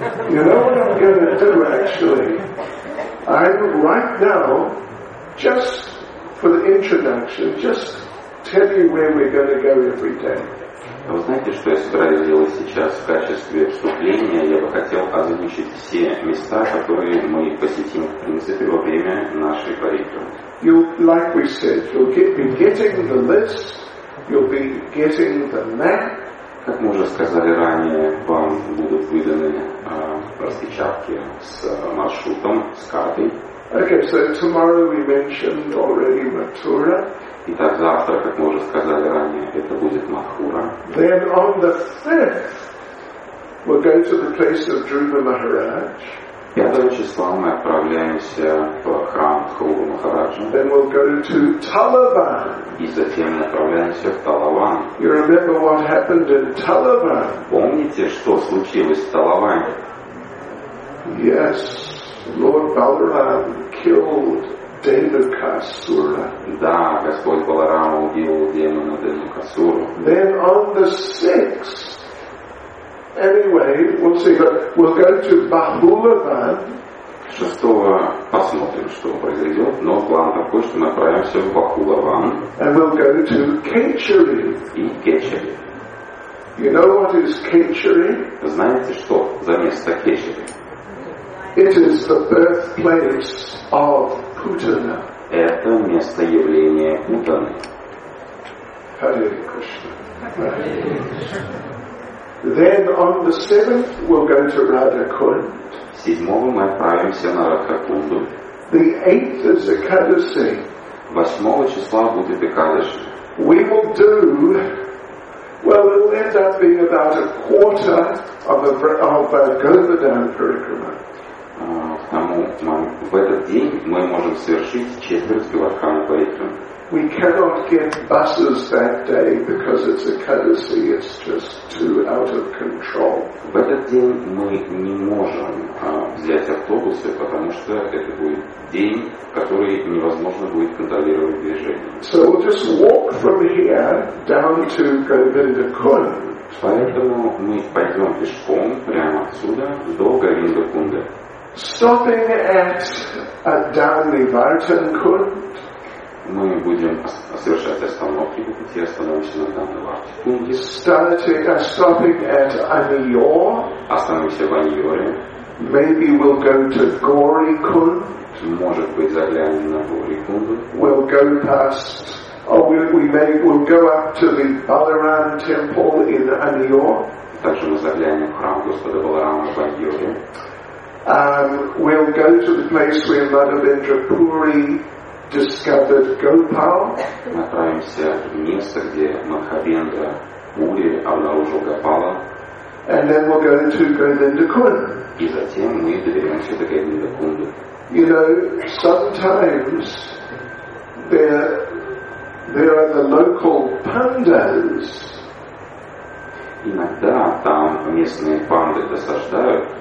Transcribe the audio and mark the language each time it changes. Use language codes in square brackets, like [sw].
[en] You know what I'm going to do, actually? I'm right now, just for the introduction, just tell you where we're going to go every day. [ru] Вы знаете, что я собираюсь делать сейчас в качестве вступления? Я бы хотел озвучить все места, которые мы посетим, в принципе, во время нашей парикрамы. [en] You'll, like we said, you'll get, be getting the list, you'll be getting the map. [ru] Как мы уже сказали ранее, вам будут выданы распечатки с маршрутом, с картой. [en] Okay, so tomorrow we mentioned already Mathura. [ru] Итак, завтра, как мы уже сказали ранее, это будет Мадхура. [en] Then on the 5th we're going to the place of Dhruva Maharaj. [ru] 5 числа мы отправляемся в храм Дхрувы Махараджа. [en] Then we'll go to Talavan. [ru] И затем мы отправляемся в Талаван. [en] You remember what happened in Talavan? [ru] Помните, что случилось в Талаване? [en] Yes, Lord Balaram killed Devakasura. [ru] Да, Господь Баларам убил демона Девакасуру. [en] Then on the 6th. Anyway, we'll see. We'll go to Bahulavan. [ru] 6-го посмотрим, что произойдет. Но план такой, что направимся в Бахулаван. [en] And we'll go to Кечери. [ru] И Кечери. [en] You know what is Кечери? [ru] Знаете, что за место Кечери? [en] It is the birthplace of Путана. [ru] Это место явления Путаны. [en] Hare Krishna. Then on the 7th we'll go to Radhakund. [ru] 7-го мы отправимся на Радхакунду. [en] The 8th is Экадаси. [ru] 8-го числа будет Экадаши. [en] We will do, well, it'll end up being about a quarter of a Govardhan Parikrama. [ru] В этот день мы можем совершить четверть Говардхана Парикрамы. [en] We cannot get buses that day because it's a Экадаси, it's just too out of control. [ru] В этот день мы не можем взять автобусы, потому что это будет день, в который невозможно будет контролировать движение. [en] So we'll just walk from here down to Govindakund. [ru] Поэтому мы пойдем пешком прямо отсюда до Говиндакунды. [en] Stopping at a Dhanivartankund. [ru] Мы будем совершать остановки по пути, остановимся на данной варте. [en] Stopping at Aniyor. [ru] Остановимся в Аниоре. [en] Maybe we'll go to Gaurikund. [ru] Может быть, заглянем на Гаурикунду. [en] We'll go past, we'll go up to the Balaram temple in Aniyor. [ru] Также мы заглянем в храм Господа Баларама в Аниоре. [en] We'll go to the place where Madhavendra Puri discovered Gopal. [ru] Мы отправимся в место, где Мадхавендра Пури обнаружил Гопала. [en] And then we're going to Govindakund. [ru] И затем мы доберемся до Говиндакунды. [en] You know, sometimes there are the local pandas. [ru] Иногда там местные панды досаждают.